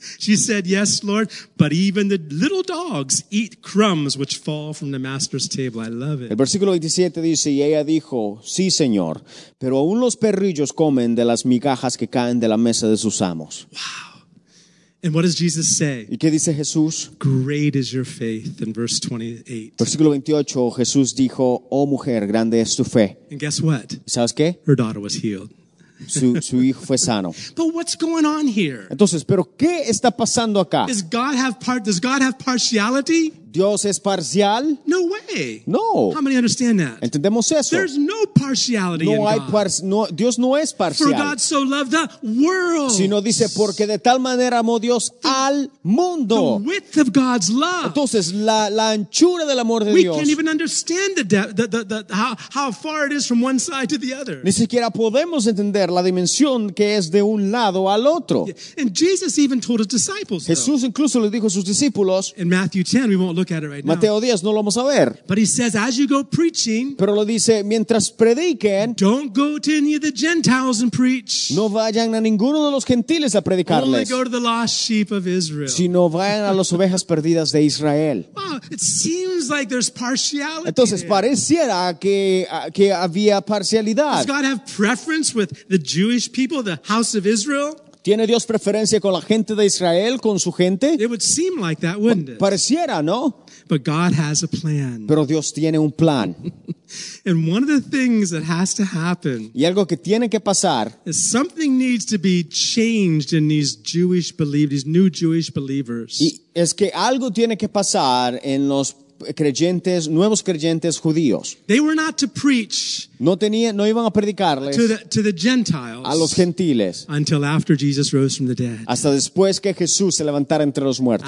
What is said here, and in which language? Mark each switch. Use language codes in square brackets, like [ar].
[en] She said, yes, Lord, but even the little dogs eat crumbs which fall from the master's table. I love it. [es] El versículo 27 dice, y ella dijo, sí, Señor, pero aún los perrillos comen de las migajas que caen de la mesa de sus amos. [en] Wow. And what does Jesus say? [es] ¿Y qué dice Jesús? [en] Great is your faith in verse 28. [es] Versículo 28, Jesús dijo, oh mujer, grande es tu fe. [en] And guess what? [es] ¿Sabes qué? [en] Her daughter was healed. [es] Su hijo fue sano. [en] But what's going on here? [es] Entonces, ¿pero qué está pasando acá? [en] Does God have partiality? [es] ¿Dios es parcial? [en] No way. [es] No. [en] How many understand that? [es] ¿Entendemos eso? [en] There's no partiality [es] no [en] in [es] hay [en] God. [es] Dios no es parcial. [en] For God so loved the world. [es] Sino dice, porque de tal manera amó Dios al mundo. [en] The width of God's love. [es] Entonces, la anchura del amor de [en] we [es] Dios. [en] We can't even understand how far it is from one side to the other. [es] Ni siquiera podemos entender la dimensión que es de un lado al otro. [en] And Jesus even told his disciples, [es] Jesús [en] though. [es] Incluso le dijo a sus discípulos. [en] In Matthew 10, we won't look at it right now. [es] Mateo 10, no lo vamos a ver. [en] But he says, as you go preaching, [es] pero lo dice, mientras prediquen, [en] don't go to any of the Gentiles and preach. [es] No vayan a ninguno de los gentiles a predicarles. [en] Only go to the lost sheep of Israel. [es] Sino vayan a las ovejas perdidas de Israel. [en] Well, it seems like there's partiality. [es] Entonces pareciera que había parcialidad. [en] Does God have preference with the Jewish people, the house of Israel? [es] ¿Tiene Dios preferencia con la gente de Israel, con su gente? [en] It would seem like that, wouldn't it? [es] Pareciera, ¿no? [en] But God has a plan. [es] Pero Dios tiene un plan. [en] And one of the things that has to happen, [es] y algo que tiene que pasar, [en] is something needs to be changed in these Jewish believers, these new Jewish believers. [es] Y es que algo tiene que pasar en los creyentes, nuevos creyentes judíos. [en] They were not to preach [es] no iban a predicarles [en] to the Gentiles, [es] a los gentiles, [en] until after Jesus rose from the dead. [es] Hasta después que Jesús se levantara entre los muertos.